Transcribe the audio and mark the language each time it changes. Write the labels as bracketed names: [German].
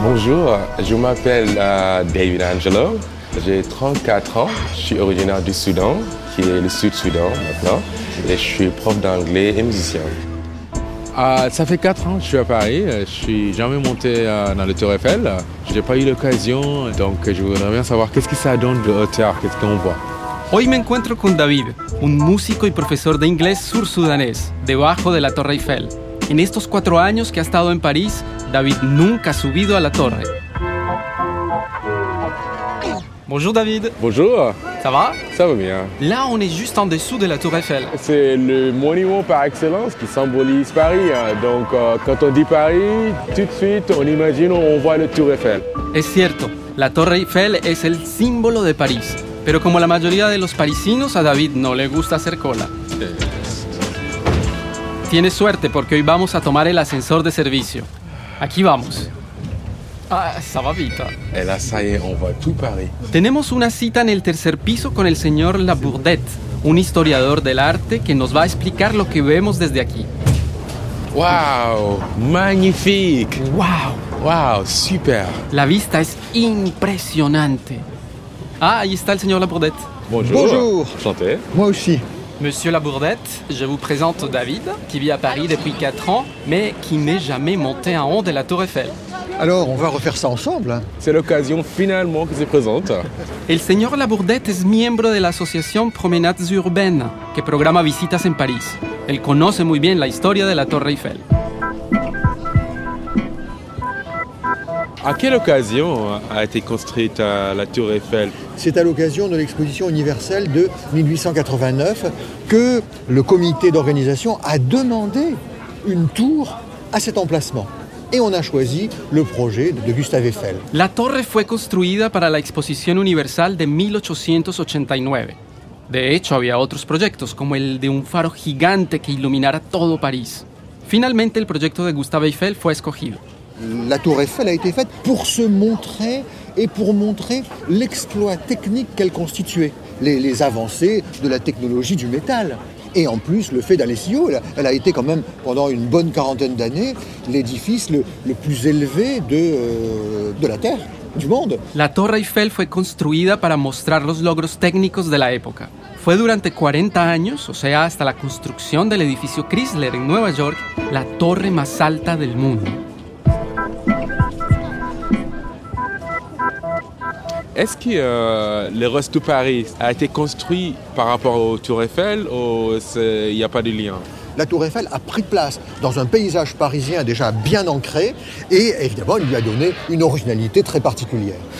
[French] Bonjour, je m'appelle David Angelo. J'ai 34 ans, je suis originaire du Soudan, qui est le Sud-Soudan maintenant, et je suis prof d'anglais et musicien. Ça fait 4 ans que je suis à Paris, je suis jamais monté dans la Tour Eiffel. Je n'ai pas eu l'occasion, donc je voudrais bien savoir qu'est-ce que ça donne de hauteur, qu'est-ce qu'on voit. [Spanish] Hoy me encuentro con David, un músico y profesor de inglés sur-sudanés, debajo de la Torre Eiffel. En estos 4 años que ha estado en París, David nunca ha subido a la torre. [French] Bonjour David. Bonjour. Ça va? Ça va bien. Là, on est juste en dessous de la Tour Eiffel. C'est le monument par excellence qui symbolise Paris. Donc, quand on dit Paris, tout de suite, on imagine, on voit la Tour Eiffel. [Spanish] Es cierto. La Torre Eiffel es el símbolo de París. Pero como la mayoría de los parisinos, a David no le gusta hacer cola. Tienes suerte porque hoy vamos a tomar el ascensor de servicio. Aquí vamos. [French] Ah, ça va vite. Et là, ça y est, on voit tout Paris. [Spanish] Tenemos una cita en el tercer piso con el señor Labourdette, un historiador del arte que nos va a explicar lo que vemos desde aquí. [French] Wow, magnifique. Wow. Wow, super. [Spanish] La vista es impresionante. Ah, ahí está el señor Labourdette. [French] Bonjour. Bonjour. Enchanté. Moi aussi. Monsieur Labourdette, je vous présente David, qui vit à Paris depuis 4 ans, mais qui n'est jamais monté en haut de la Tour Eiffel. Alors, on va refaire ça ensemble. C'est l'occasion finalement qui se présente. [Spanish] El señor Labourdette es miembro de la asociación Promenades Urbaines, que programa visitas en París. Él conoce muy bien la historia de la Torre Eiffel. [French] À quelle occasion a été construite la Tour Eiffel ? C'est à l'occasion de l'exposition universelle de 1889 que le comité d'organisation a demandé une tour à cet emplacement. Et on a choisi le projet de Gustave Eiffel. [Spanish] La torre fue construida para la exposición universal de 1889. De hecho, había otros proyectos, como el de un faro gigante que iluminara todo París. Finalmente, el proyecto de Gustave Eiffel fue escogido. [French] La tour Eiffel a été faite pour se montrer et pour montrer l'exploit technique qu'elle constituait, les avancées de la technologie du métal. Et en plus, le fait d'aller si haut, elle a été quand même, pendant une bonne quarantaine d'années, l'édifice le plus élevé de la Terre, du monde. [Spanish] La Torre Eiffel fue construida para mostrar los logros técnicos de la época. Fue durante 40 años, o sea, hasta la construcción del edificio Chrysler en Nueva York, la torre más alta del mundo. [French] Est-ce que le Rose to Paris a été construit par rapport au Tour Eiffel ou il n'y a pas de lien ? La Tour Eiffel a pris place dans un paysage parisien déjà bien ancré et évidemment, il lui a donné une originalité très particulière.